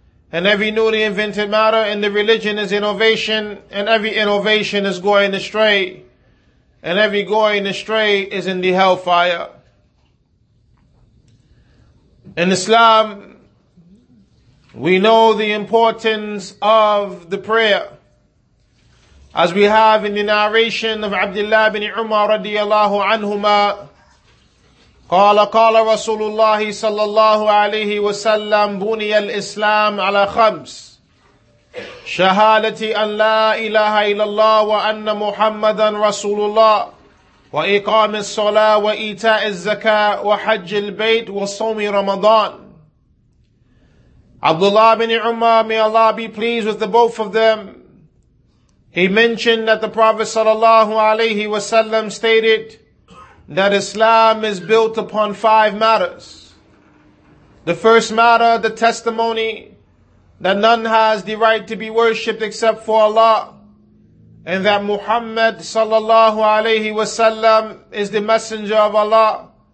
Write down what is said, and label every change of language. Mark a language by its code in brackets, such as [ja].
[en] And every newly invented matter in the religion is innovation, and every innovation is going astray, and every going astray is in the hellfire. In Islam, we know the importance of the prayer. As we have in the narration of Abdullah ibn Umar radiallahu anhuma, [ar] قال قال رسول الله صلى الله عليه وسلم بني الإسلام على خمس شهادة أن لا إله إلا الله وأن محمدا رسول الله وإقام الصلاة وإيتاء الزكاة وحج البيت وصوم رمضان. [en] Abdullah ibn Umar, may Allah be pleased with the both of them, he mentioned that the Prophet [ar] صلى الله عليه وسلم [en] stated that Islam is built upon five matters. The first matter, the testimony that none has the right to be worshipped except for Allah, and that Muhammad sallallahu alayhi wasallam is the messenger of Allah,